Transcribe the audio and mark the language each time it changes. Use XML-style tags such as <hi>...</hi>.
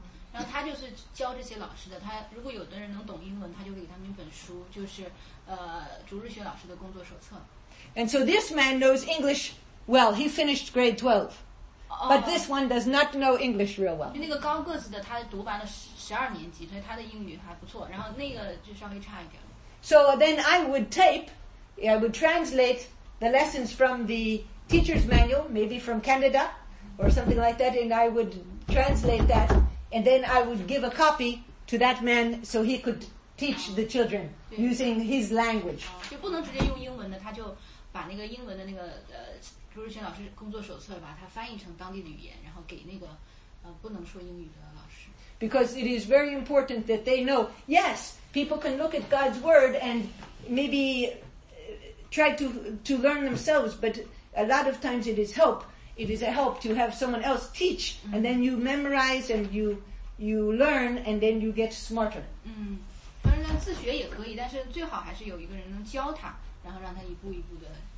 <zh>然后他就是教这些老师的。他如果有的人能懂英文，他就给他们一本书，就是主日学老师的工作手册。</zh> <en>And so this man knows English well. He finished grade 12. But this one does not know English real well.</en> <zh>那个高个子的，他读完了十二年级，所以他的英语还不错。然后那个就稍微差一点。</zh> <en>So then I would translate the lessons from the teacher's manual, maybe from Canada or something like that, and I would translate that, and then I would give a copy to that man so he could teach the children using his language.</en> <zh>就不能直接用英文的，他就把那个英文的那个朱日轩老师工作手册把它翻译成当地的语言，然后给那个不能说英语的老师。</zh> <en>Because it is very important that they know. Yes, people can look at God's word and maybe try to learn themselves. But a lot of times it is help. It is a help to have someone else teach, and then you memorize and you learn, and then you get smarter.</en> <zh>当然自学也可以，但是最好还是有一个人能教他，然后让他一步一步的。</zh>